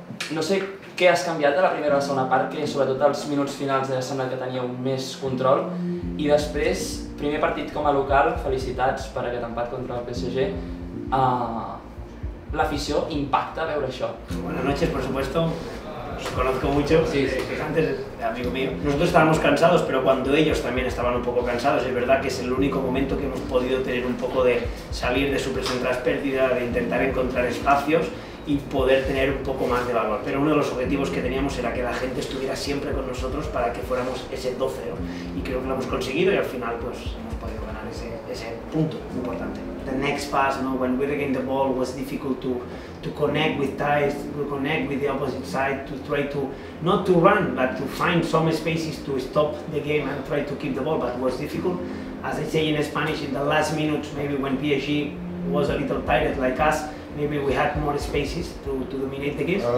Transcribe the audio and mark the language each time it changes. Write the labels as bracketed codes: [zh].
[ca] No sé què has canviat de la primera a la segona part, que sobretot als minuts finals ja sembla que teníeu més control. I després, primer partit com a local, felicitats per aquest empat contra el PSG. L'afició impacta veure això. [es] Buenas noches, por supuesto. Os conozco mucho, Gijantes, amigo mío. Nosotros estábamos cansados, pero cuando ellos también estaban un poco cansados, es verdad que es el único momento que hemos podido tener un poco de salir de su presión tras pérdida, de intentar encontrar espacios y poder tener un poco más de valor. Pero uno de los objetivos que teníamos era que la gente estuviera siempre con nosotros para que fuéramos ese 12-0. Y creo que lo hemos conseguido y al final pues hemos podido ganar ese punto importante. [en] The next pass, you know, when we regained the ball, was difficult to connect with Thais, to connect with the opposite side, to try to, not to run, but to find some spaces to stop the game and try to keep the ball, but it was difficult. As I say in Spanish, in the last minutes, maybe when PSG was a little tired like us, maybe we had more spaces to dominate the game.